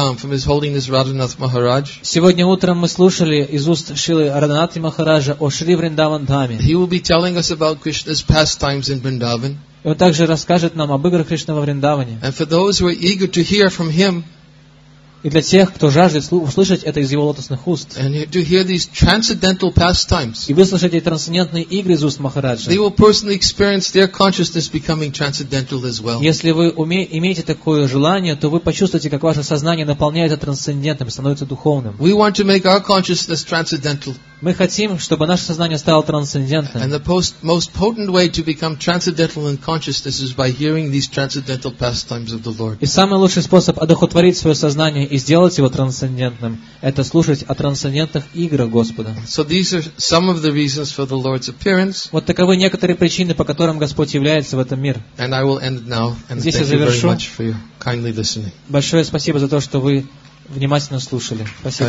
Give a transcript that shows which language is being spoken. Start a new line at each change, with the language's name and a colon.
Russian: Сегодня утром мы слушали из уст Шилы Радханатхи Махараджа о Шри Вриндаван Даме.
English: He will be telling us about Krishna's pastimes in Vrindavan.
Russian: И он также расскажет нам об играх Кришны во Вриндаване.
English: And for those who are eager to hear from him,
Russian: и для тех, кто жаждет услышать это из его лотосных уст,
English: and to hear these transcendental pastimes,
Russian: и выслушать эти трансцендентные игры из уст Махараджа,
English: they will personally experience their consciousness becoming transcendental as well.
Russian: Если вы имеете такое желание, то вы почувствуете, как ваше сознание наполняется трансцендентным, становится духовным.
English: We want to make our consciousness transcendental.
Russian: Мы хотим, чтобы наше сознание стало трансцендентным.
English: And the most potent way to become transcendental in consciousness is by hearing these transcendental pastimes of the Lord.
Russian: И самый лучший способ одухотворить свое сознание и сделать его трансцендентным – это слушать о трансцендентных играх Господа.
English: So these are some of the reasons for the Lord's appearance.
Russian: Вот таковы некоторые причины, по которым Господь является в этом мире.
English: And I will end now. And thank you very much for your kindly listening.
Russian: Большое спасибо за то, что вы внимательно слушали. Спасибо.